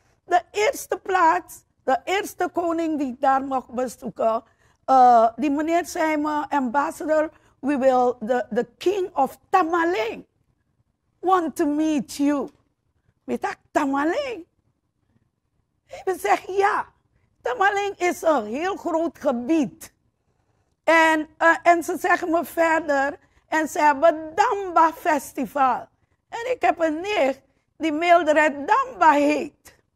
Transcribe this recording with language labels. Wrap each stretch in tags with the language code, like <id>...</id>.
<nl>De eerste plaats, de eerste koning die ik daar mocht bezoeken. Die meneer zei me,</nl> <en>ambassador, we will, the king of Tamaling want to meet you.</en> <nl>Weet dat Tamaling? Ik zeg ja, Tamaling is een heel groot gebied. En ze zeggen me verder, en ze hebben Damba Festival. En ik heb een nicht die Mildred Damba heet.</nl>